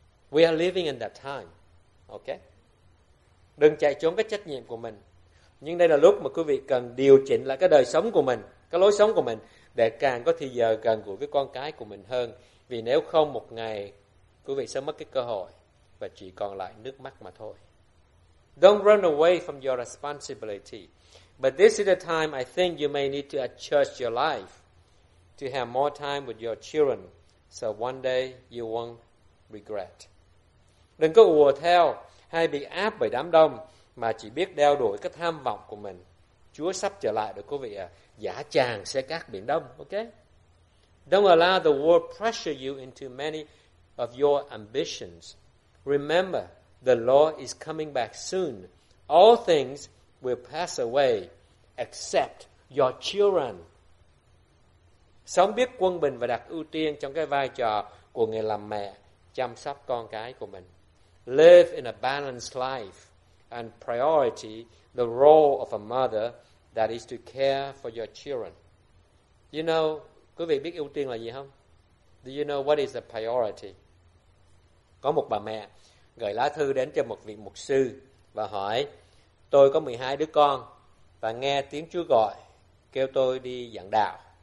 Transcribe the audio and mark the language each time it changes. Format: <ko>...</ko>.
<en>We are living in that time. Okay?</en> <vi>Đừng chạy trốn cái trách nhiệm của mình. Nhưng đây là lúc mà quý vị cần điều chỉnh lại cái đời sống của mình, cái lối sống của mình để càng có thời giờ gần gũi với con cái của mình hơn. Vì nếu không một ngày quý vị sẽ mất cái cơ hội và chỉ còn lại nước mắt mà thôi.</vi> <en>Don't run away from your responsibility. But this is the time I think you may need to adjust your life to have more time with your children so one day you won't regret.</en> <vi>Đừng có ùa theo hay bị áp bởi đám đông mà chỉ biết đeo đuổi cái tham vọng của mình. Chúa sắp trở lại rồi quý vị ạ. Giả chàng sẽ cát biển đông, okay?</vi> <en>Don't allow the world pressure you into many of your ambitions. Remember, the Lord is coming back soon. All things will pass away except your children.</en> <vi>Sống biết quân bình và đặt ưu tiên trong cái vai trò của người làm mẹ, chăm sóc con cái của mình.</vi> <en>Live in a balanced life and priority the role of a mother that is to care for your children. You know,</en> <vi>quý vị biết ưu tiên là gì không?</vi> <en>Do you know what is the priority?</en> <vi>Có một bà mẹ gửi lá thư đến cho một vị mục sư và hỏi, tôi có 12 đứa con và nghe tiếng Chúa gọi, kêu tôi đi giảng đạo.</vi>